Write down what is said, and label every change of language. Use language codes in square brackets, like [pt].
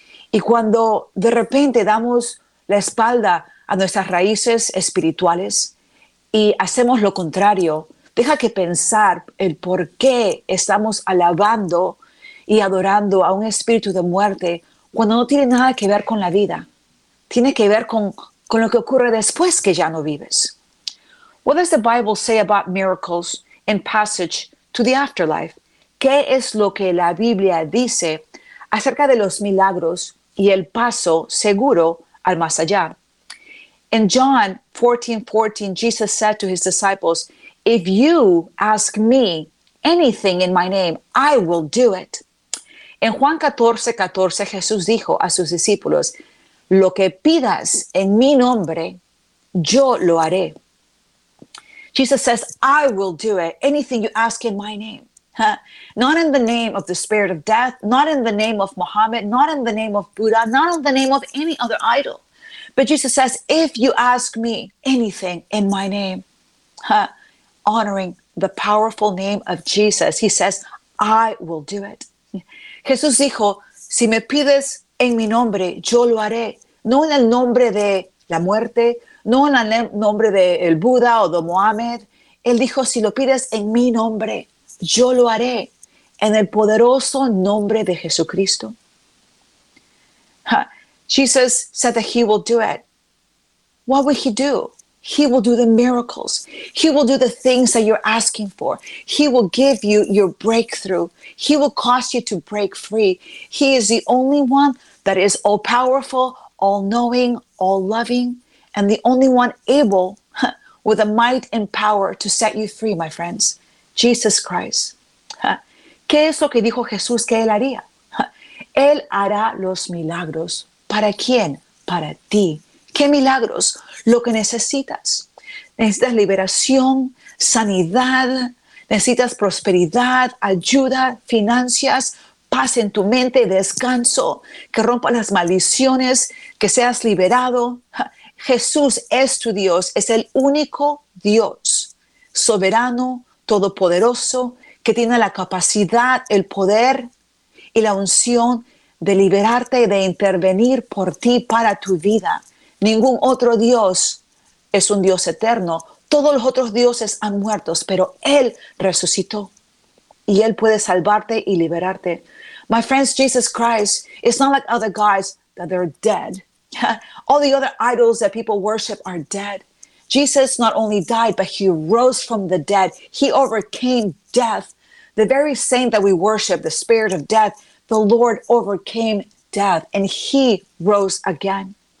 [es] Y cuando de repente damos la espalda a nuestras raíces espirituales y hacemos lo contrario, deja que pensar el por qué estamos alabando y adorando a un espíritu de muerte cuando no tiene nada que ver con la vida. Tiene que ver con lo que ocurre después que ya no vives. [en] What does the Bible say about miracles and passage to the afterlife? [es] ¿Qué es lo que la Biblia dice acerca de los milagros y el paso seguro al más allá? [en] In John 14:14, Jesus said to his disciples, "If you ask me anything in my name, I will do it." [es] En Juan 14:14, Jesús dijo a sus discípulos, "Lo que pidas en mi nombre, yo lo haré." [en] Jesus says, "I will do it, anything you ask in my name." Not in the name of the spirit of death, not in the name of Muhammad, not in the name of Buddha, not in the name of any other idol. But Jesus says, "If you ask me anything in my name," honoring the powerful name of Jesus, he says, "I will do it." [es] Jesús dijo, si me pides en mi nombre, yo lo haré. No en el nombre de la muerte, no en el nombre de el Buda o de Mohammed. Él dijo, si lo pides en mi nombre, yo lo haré. En el poderoso nombre de Jesucristo. [en] Jesus said that he will do it. What would he do? He will do the miracles. He will do the things that you're asking for. He will give you your breakthrough. He will cause you to break free. He is the only one that is all-powerful, all-knowing, all-loving, and the only one able with the might and power to set you free, my friends. Jesus Christ. [es] ¿Qué es lo que dijo Jesús que él haría? Él hará los milagros. ¿Para quién? Para ti. ¿Qué milagros? Lo que necesitas. Necesitas liberación, sanidad, necesitas prosperidad, ayuda, finanzas, paz en tu mente, descanso, que rompa las maldiciones, que seas liberado. Jesús es tu Dios, es el único Dios, soberano, todopoderoso, que tiene la capacidad, el poder y la unción de liberarte y de intervenir por ti para tu vida. Ningún otro Dios es un Dios eterno. Todos los otros dioses han muerto, pero Él resucitó. Y Él puede salvarte y liberarte. [en] My friends, Jesus Christ, it's not like other gods that they're dead. All the other idols that people worship are dead. Jesus not only died, but He rose from the dead. He overcame death. The very saint that we worship, the spirit of death, the Lord overcame death and He rose again.